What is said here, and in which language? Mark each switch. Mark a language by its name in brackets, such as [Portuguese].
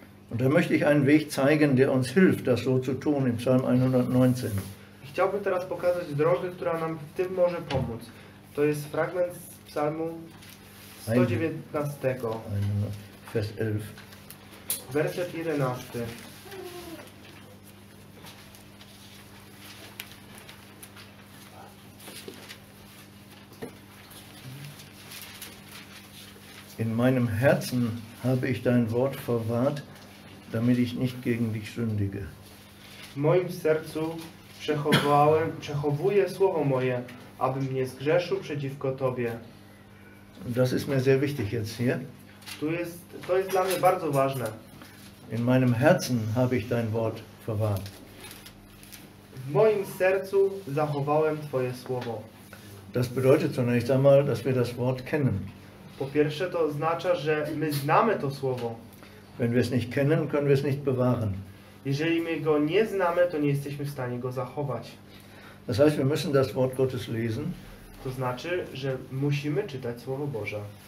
[German] Und da möchte ich einen Weg zeigen, der uns hilft, das so zu tun, im Psalm 119. [Polish] Chciałbym teraz pokazać drogę, która nam w tym może pomóc. To jest fragment z Psalmu 119. [German] Vers 11. [Polish] Werset 11. [German] In meinem Herzen habe ich dein Wort verwahrt, damit ich nicht gegen dich sündige. [Polish] W moim sercu przechowuję słowo moje, abym nie zgrzeszył przeciwko tobie. [German] Das ist mir sehr wichtig jetzt hier. [Polish] To jest dla mnie bardzo ważne. [German] In meinem Herzen habe ich dein Wort verwahrt. [Polish] W moim sercu zachowałem twoje słowo. [German] Das bedeutet zunächst einmal, dass wir das Wort kennen. [Polish] Po pierwsze, to oznacza, że my znamy to słowo. [German] Wenn wir es nicht kennen, können wir es nicht bewahren. [Polish] Jeżeli my go nie znamy, to nie jesteśmy w stanie go zachować. [German] Das heißt, wir müssen das Wort Gottes lesen. [Polish] To znaczy, że musimy czytać słowo Boże.